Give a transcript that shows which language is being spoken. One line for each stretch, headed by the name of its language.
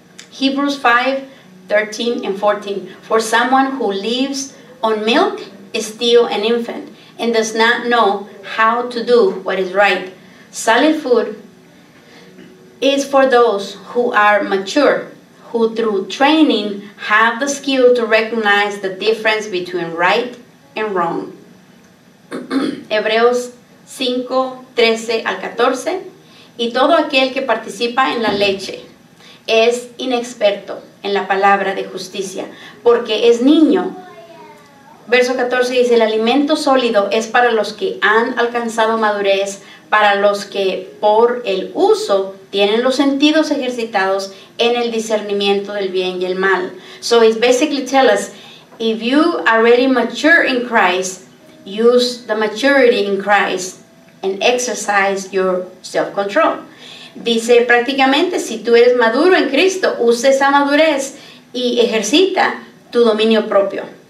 English: Hebrews 5:13-14, for someone who lives on milk is still an infant and does not know how to do what is right. Solid food is for those who are mature, who through training have the skill to recognize the difference between right and wrong.
Spanish: Hebreos 5:13-14, y todo aquel que participa en la leche es inexperto en la palabra de justicia, porque es niño. Verso 14 dice, el alimento sólido es para los que han alcanzado madurez, para los que por el uso tienen los sentidos ejercitados en el discernimiento del bien y el mal.
English: So it's basically tell us, if you already mature in Christ, use the maturity in Christ and exercise your self-control.
Spanish: Dice prácticamente, si tú eres maduro en Cristo, usa esa madurez y ejercita tu dominio propio.